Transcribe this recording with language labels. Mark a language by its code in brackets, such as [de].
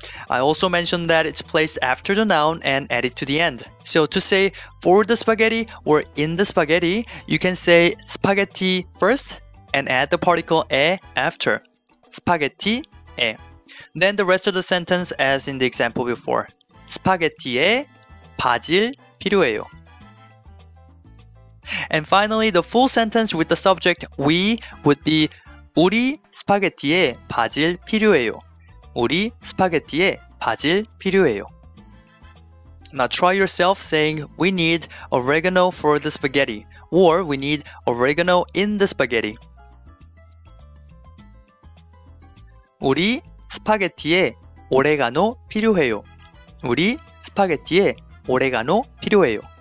[en] I also mentioned that it's placed after the noun and added to the end. So to say for the spaghetti or in the spaghetti, you can say spaghetti first and add the particle 에 after. Spaghetti 에. Then the rest of the sentence as in the example before. [ko] 스파게티에 바질 필요해요. [en] And finally, the full sentence with the subject we would be [ko] 우리 스파게티에 바질 필요해요. 우리 스파게티에 바질 필요해요. [en] Now try yourself saying we need oregano for the spaghetti or we need oregano in the spaghetti. [ko] 우리 스파게티에 오레가노 필요해요. 우리 스파게티에 오레가노 필요해요.